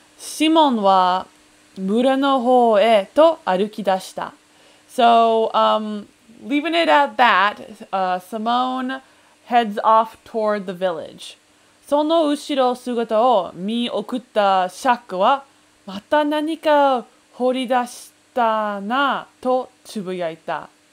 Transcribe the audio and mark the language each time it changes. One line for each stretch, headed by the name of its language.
Japanese: シモンは村の方へと歩き出した。
English: So, leaving it at that, Simone heads off toward the village.
Japanese: その後ろ姿を見送ったシャックは、また何か掘り出したなとつぶやいた。